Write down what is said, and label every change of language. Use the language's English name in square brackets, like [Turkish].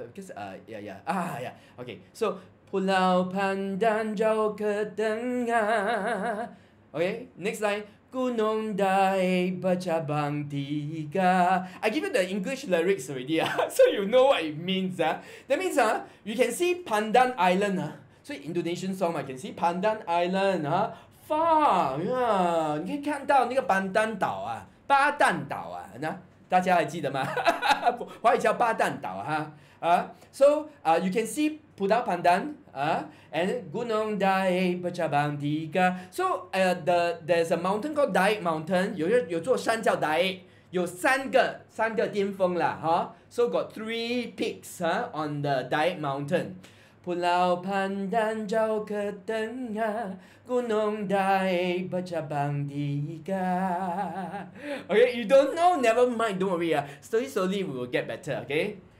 [English] Because, okay. So, [Malay] Pulau Pandan jauh ke tengah. [English] Okay, next line. [Malay] Gunung Dai bercabang tiga. [English] I give you the English lyrics already, so you know what it means. That means, you can see Pandan Island. So, Indonesian song, I can see Pandan Island. Far, yeah. [Chinese] 你可以看到那个班丹岛啊，巴旦岛啊，那。大家还记得吗？华语叫巴旦岛哈啊， [English] so you can see [Malay] Pulau Pandan and Gunung Dai bercabang tiga. [English] So there's a mountain called Dai Mountain. [Chinese] 有座山叫 Dai， 有三个巅峰啦哈。 [English] So got three peaks on the Dai Mountain. [Malay] Pulau Pandan jauh ke tengah, Gunung Dai bercabang tiga. [English] Okay, you don't know, never mind, don't worry. Slowly we will get better, okay?